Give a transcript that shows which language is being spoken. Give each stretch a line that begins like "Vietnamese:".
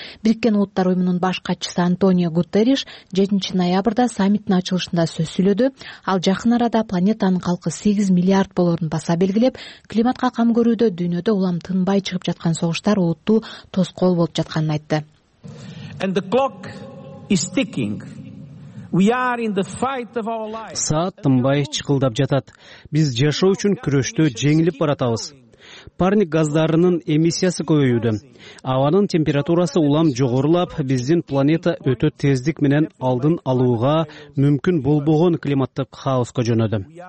Kyrgyz: Бириккен Улуттар Уюмунун баш катчысы Антонио Гутерриш 7 ноябрда саммиттин ачылышында сөз сүйлөдү. Ал жакын арада планетанын калкы 8 миллиард болорун баса белгилеп, климатка кам көрүүдө дүйнөдө улам тынбай чыгып жаткан согуштар улуттуу тоскоол болуп жатканын айтты.
English: And the clock is ticking. We are in the fight of our lives.
Kyrgyz: Саат тынбай чыкылдап жатат. Биз жашоо үчүн күрөштө жеңилип баратабыз. Парник газдарынын эмиссиясы көбөйүүдө. Абанын температурасы улам жогорулап, биздин планета өтө тездик менен алдын алууга мүмкүн болбогон климаттык хаоско жөнөдү.